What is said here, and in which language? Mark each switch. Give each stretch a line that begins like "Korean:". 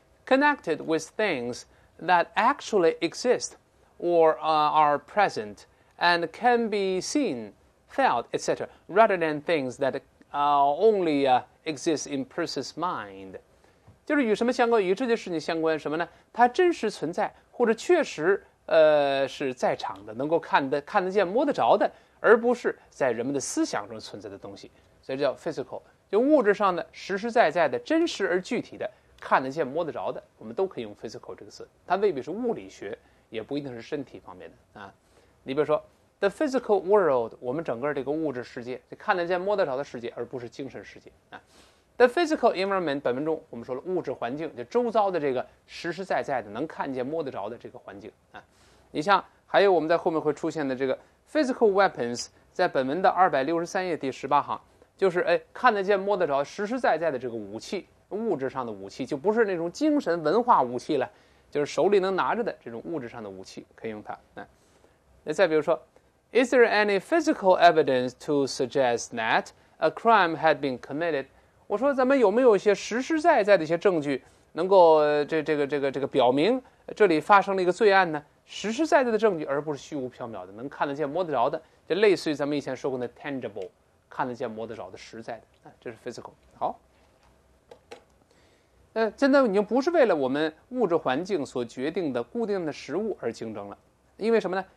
English: Connected with things that actually exist or are present and can be seen, felt, etc. rather than things that only exist in person's mind.
Chinese: 就是与什么相关，与这件事情相关什么呢？它真实存在或者确实是在场的，能够看得见摸得着的，而不是在人们的思想中存在的东西。所以叫 physical， 就物质上的实实在在的真实而具体的看得见摸得着的，我们都可以用 physical 这个词。它未必是物理学，也不一定是身体方面的啊。你比如说
English: the physical world，
Chinese: 我们整个这个物质世界，就看得见摸得着的世界，而不是精神世界啊。
English: The physical environment，
Chinese: 本文中我们说了物质环境，就周遭的这个实实在在的能看见摸得着的这个环境啊。你像还有我们在后面会出现的这个
English: physical weapons，
Chinese: 在本文的263页第18行，就是哎看得见摸得着实实在在的这个武器，物质上的武器，就不是那种精神文化武器了，就是手里能拿着的这种物质上的武器可以用它。
English: 那再比如说 Is there any physical evidence to suggest that a crime had been committed？
Chinese: 我说咱们有没有一些实实在在的一些证据能够这个表明这里发生了一个罪案呢？实实在在的证据，而不是虚无缥缈的能看得见摸得着的，就类似于咱们以前说过的 tangible， 看得见摸得着的实在的，这是 physical。好，现在已经不是为了我们物质环境所决定的固定的食物而竞争了，因为什么呢？